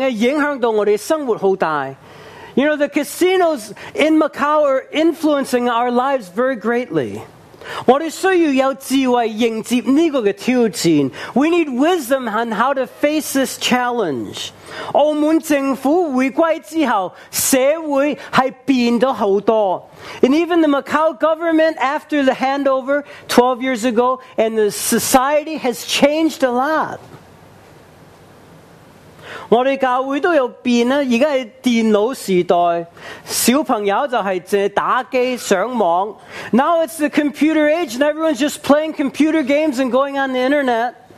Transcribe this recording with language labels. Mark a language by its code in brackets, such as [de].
[yue] 我们澳门的赌场效应影响到我们生活很大。 [en] You know, the casinos in Macau are influencing our lives very greatly. [yue] 我们需要智慧迎接这个挑战。 [en] We need wisdom on how to face this challenge. [yue] 澳门政府回归之后，社会是变得很多。 [en] And even the Macau government after the handover 12 years ago, and the society has changed a lot. [yue] 我们教会都有变，现在是电脑时代，小朋友就是只打机上网。 [en] Now it's the computer age and everyone's just playing computer games and going on the internet.